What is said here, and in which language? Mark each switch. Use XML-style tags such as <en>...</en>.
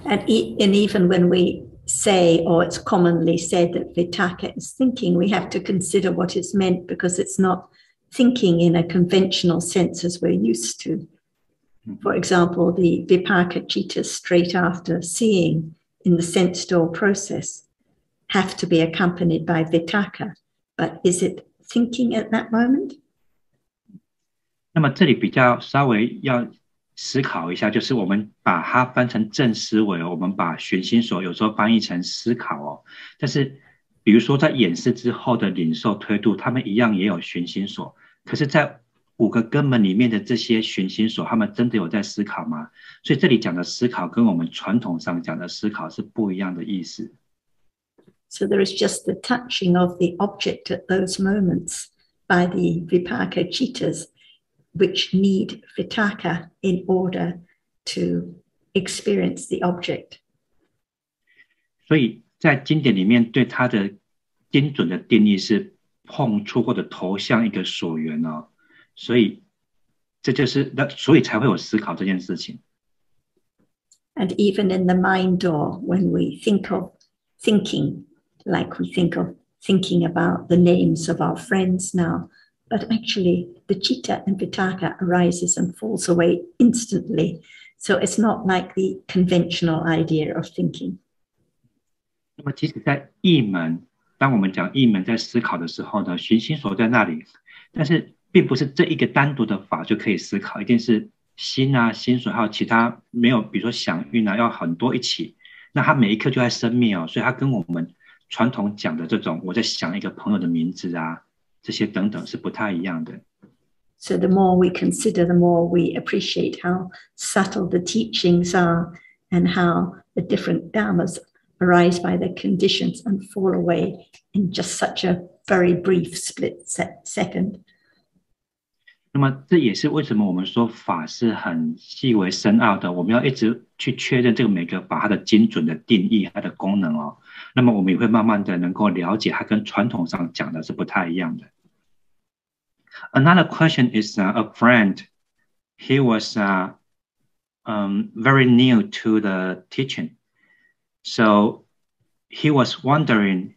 <en>And even when we say, or it's commonly said that vitakka is thinking, we have to consider what it's meant because it's not thinking in a conventional sense as we're used to. For example, the vipaka-citta straight after seeing in the sense door process have to be accompanied by vitakka, but is it thinking at that moment?</en> <zh>那么这里比较稍微要思考一下，就是我们把它翻成正思维，我们把寻心所有时候翻译成思考哦。但是，比如说在演示之后的领受推度，他们一样也有寻心所。可是，在五个根本里面的这些寻心所，他们真的有在思考吗？所以这里讲的思考跟我们传统上讲的思考是不一样的意思。</zh> <en>So there is just the touching of the object at those moments by the vipaka-cittas, which need vitakka in order to experience the object.</en> <zh>所以在经典里面，对它的精准的定义是碰触或者投向一个所缘哦，所以这就是那，所以才会有思考这件事情。</zh> <en>And even in the mind door, when we think of thinking, like we think of thinking about the names of our friends now, but actually the citta and vitakka arises and falls away instantly. So it's not like the conventional idea of thinking.</en> <zh>那么，即使在意门，当我们讲意门在思考的时候呢，寻心所在那里，但是并不是这一个单独的法就可以思考，一定是心啊、心所还有其他没有，比如说想运啊，要很多一起。那它每一刻就在生灭哦，所以它跟我们传统讲的这种我在想一个朋友的名字啊，这些等等是不太一样的。</zh> <en>So the more we consider, the more we appreciate how subtle the teachings are and how the different dhammas arise by their conditions and fall away in just such a very brief split second.</en> <zh>那么这也是为什么我们说法是很细微深奥的，我们要一直去确认这个每个法它的精准的定义、它的功能哦。那么我们也会慢慢的能够了解它跟传统上讲的是不太一样的。</zh> <en>Another question is a friend. He was very new to the teaching, so he was wondering.</en>